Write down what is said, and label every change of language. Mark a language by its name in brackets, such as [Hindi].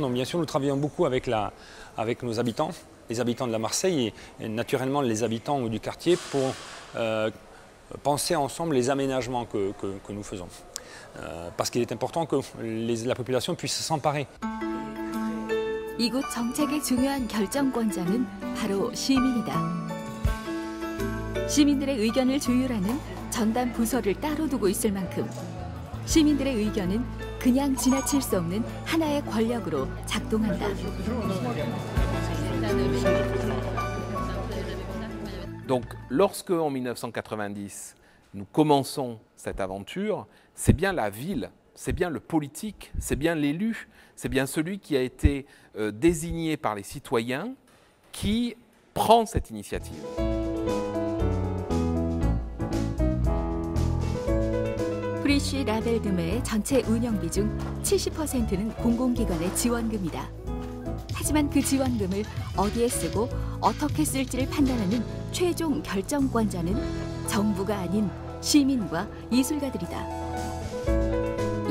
[French] Donc bien sûr, nous travaillons beaucoup avec, avec nos habitants, les habitants de la Marseille et naturellement les habitants du quartier pour penser ensemble les aménagements que nous faisons. Parce qu'il est important que la population puisse s'emparer. [Korean] 이곳 정책의 중요한 결정권자는 바로 시민이다. 시민들의 의견을 조율하는 전담 부서를 따로 두고 있을 만큼 시민들의 의견은 그냥 지나칠 수 없는 하나의 권력으로 작동한다. [French] Donc lorsque en 1990 nous commençons cette aventure, c'est bien la ville, c'est bien le politique, c'est bien l'élu, c'est bien celui qui a été désigné par les citoyens qui prend cette initiative. [Korean] 프리쉬 라벨드메의 전체 운영비 중 70%는 공공기관의 지원금이다. 하지만 그 지원금을 어디에 쓰고 어떻게 쓸지를 판단하는 최종 결정권자는 정부가 아닌 시민과 예술가들이다.